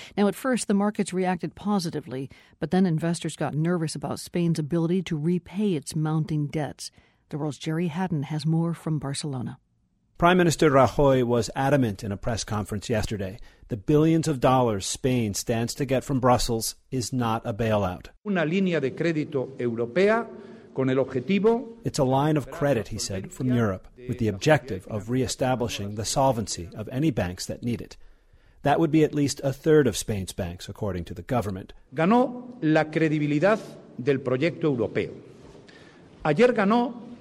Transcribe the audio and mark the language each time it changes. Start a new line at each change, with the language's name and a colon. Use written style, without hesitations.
English: Now, at first, the markets reacted positively, but then investors got nervous about Spain's ability to repay its mounting debts. The World's Jerry Hatton has more from Barcelona. Prime Minister Rajoy was adamant in a press conference yesterday. The billions of dollars Spain stands to get from Brussels is not a bailout.
Spanish: Una línea de crédito europea con el objetivo.
English: It's a line of credit, he said, from Europe, with the objective of reestablishing the solvency of any banks that need it. That would be at least a third of Spain's banks, according to the government.
Spanish: Ganó la credibilidad del proyecto europeo. Ayer ganó.